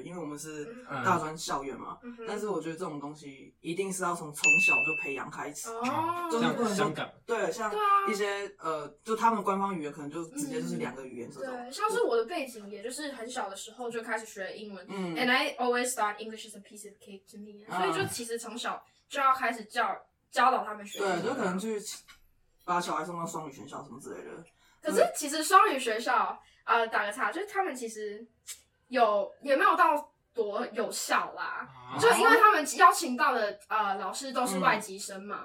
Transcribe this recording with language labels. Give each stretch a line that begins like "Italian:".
Chinese: 嗯，因为我们是大专校园嘛、嗯。但是我觉得这种东西一定是要从小就培养开始，哦、就是像香港，对，像一些、啊、就他们官方语言可能就直接就是两个语言这种。对，像是我的背景，也就是很小的时候就开始学英文，嗯
English: ，and I always thought English is a piece of cake to me，、
Chinese: 嗯、所以就其实从小。就要开始教导他们学习，对，就可能去把小孩送到双语学校什么之类的。可是其实双语学校，打个岔，就是他们其实也没有到多有效啦，啊、就因为他们邀请到的老师都是外籍生嘛、